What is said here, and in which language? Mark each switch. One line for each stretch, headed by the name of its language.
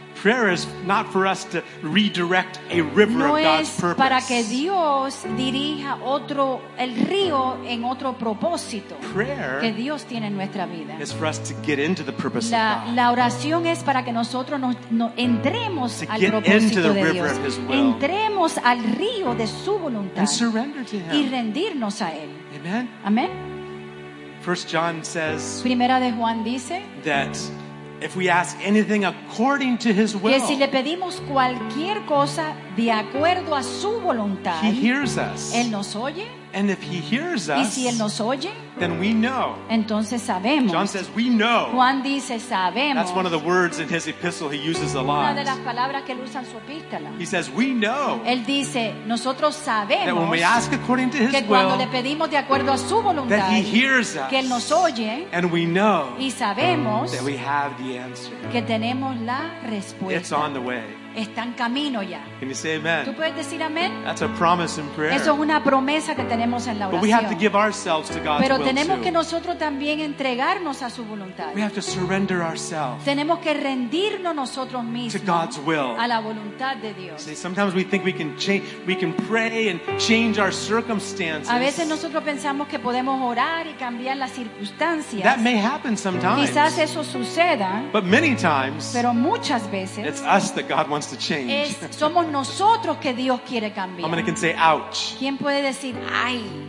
English: Prayer is not for us to redirect a river
Spanish: no
English: of God's purpose.
Spanish: Para que Dios dirija otro, el río en otro propósito
English: Prayer
Spanish: que Dios tiene en nuestra vida.
English: Is for us to get into the purpose
Spanish: la,
English: of God.
Spanish: La oración es para que nosotros nos entremos
English: to
Spanish: al
English: get
Spanish: propósito
English: into the river
Spanish: Dios.
English: Of his will.
Spanish: Entremos al río de su voluntad.
English: And surrender to him.
Spanish: Y rendirnos a él.
English: Amen.
Spanish: Amen.
English: First John says
Spanish: Primera de Juan dice
English: that if we ask anything according to his will,
Spanish: que si le pedimos cualquier cosa de acuerdo a su voluntad,
English: he hears us.
Spanish: Él nos oye.
English: And if he hears us,
Spanish: y si él nos oye,
English: then we know.
Spanish: Entonces sabemos.
English: John says we know.
Spanish: Juan dice sabemos.
English: That's one of the words in his epistle he uses a lot.
Spanish: Una de las palabras que él usa en su epístola.
English: He says we know.
Spanish: Él dice nosotros sabemos.
English: That when we ask according to his will.
Spanish: Que cuando le pedimos de acuerdo a su voluntad.
English: That he hears us.
Spanish: Que él nos oye.
English: And we know.
Spanish: Y sabemos.
English: That we have the answer.
Spanish: Que tenemos la respuesta.
English: It's on the way.
Spanish: Está en camino ya.
English: Can you say amen?
Spanish: ¿Tú puedes decir amén?
English: That's a promise in prayer.
Spanish: Eso es una promesa que tenemos en la oración.
English: But we have to give ourselves to God's
Spanish: Pero tenemos
English: will too.
Spanish: Que nosotros también entregarnos a su voluntad.
English: We have to surrender ourselves.
Spanish: Tenemos que rendirnos nosotros mismos
English: to God's will.
Spanish: A la voluntad de Dios.
English: See, sometimes we think we can change, we can pray and change our circumstances.
Spanish: A veces nosotros pensamos que podemos orar y cambiar las circunstancias.
English: That may happen sometimes.
Spanish: Quizás eso suceda.
English: But many times.
Spanish: Pero muchas veces.
English: It's us that God wants to change.
Spanish: Somos nosotros que Dios quiere cambiar.
English: How many can say ouch?
Spanish: ¿Quién puede decir ay?